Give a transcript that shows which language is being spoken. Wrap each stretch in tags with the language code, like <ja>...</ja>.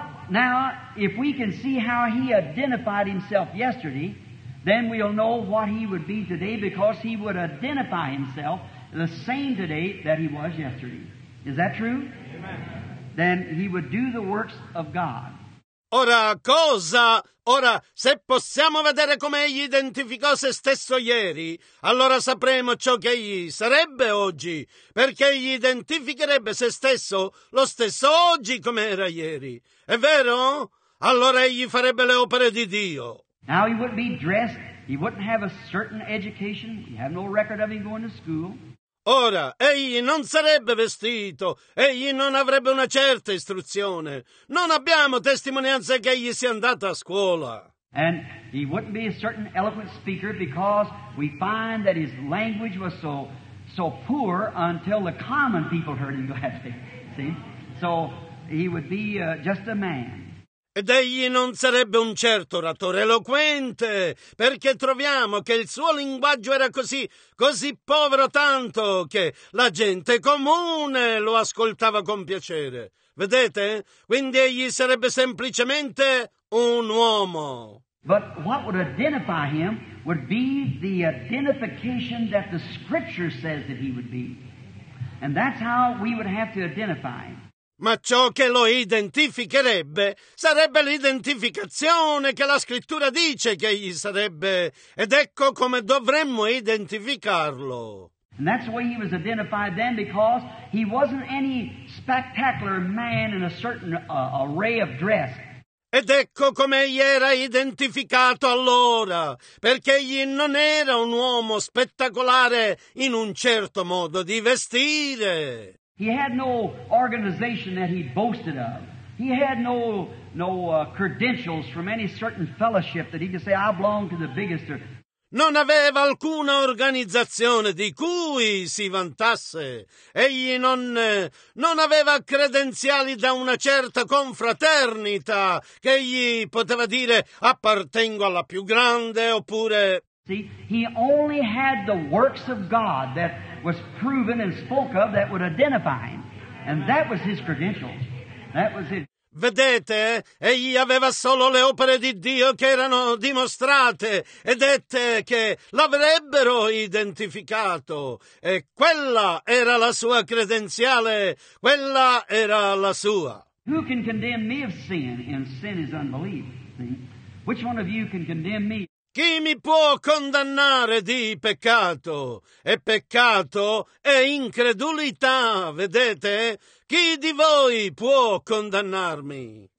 <en>Now, if we can see how he identified himself yesterday, then we'll know what he would be today, because he would identify himself the same today that he was yesterday. Is that true? Then he would do the works of God.</en> <it>Ora, se possiamo vedere come egli identificò se stesso ieri, allora sapremo ciò che egli sarebbe oggi, perché egli identificherebbe se stesso lo stesso oggi come era ieri. È vero? Allora egli farebbe le opere di Dio.</it> <en>Now he wouldn't be dressed, he wouldn't have a certain education, we have no record of him going to school.</en> <it>Ora, egli non sarebbe vestito, egli non avrebbe una certa istruzione. Non abbiamo testimonianza che egli sia andato a scuola.</it> <en>And he wouldn't be a certain eloquent speaker, because we find that his language was so poor until the common people heard him. See? So he would be just a man.</en> <it>Ed egli non sarebbe un certo oratore eloquente, perché troviamo che il suo linguaggio era così, così povero tanto che la gente comune lo ascoltava con piacere. Vedete? Quindi egli sarebbe semplicemente un uomo.</it> <en>But what would identify him would be the identification that the scripture says that he would be. And that's how we would have to identify him.</en> <it>Ma ciò che lo identificherebbe sarebbe l'identificazione che la scrittura dice che egli sarebbe. Ed ecco come dovremmo identificarlo.</it> <en>And that's the way he was identified then, because he wasn't any spectacular man in a certain array of dress.</en> <it>Ed ecco come egli era identificato allora, perché egli non era un uomo spettacolare in un certo modo di vestire.</it> <en>He had no organization that he boasted of. He had no credentials from any certain fellowship that he could say, I belong to the biggest.</en> <it>Non aveva alcuna organizzazione di cui si vantasse. Egli non aveva credenziali da una certa confraternita che egli poteva dire appartengo alla più grande oppure...</it> <en>See, he only had the works of God that was proven and spoke of that would identify him. And that was his credentials. That was his...</en> <it>Vedete, egli aveva solo le opere di Dio che erano dimostrate e dette che l'avrebbero identificato. E quella era la sua credenziale, quella era la sua.</it> <en>Who can condemn me of sin, and sin is unbelief? See? Which one of you can condemn me?</en> <it>Chi mi può condannare di peccato? E peccato è incredulità, vedete? Chi di voi può condannarmi?</it>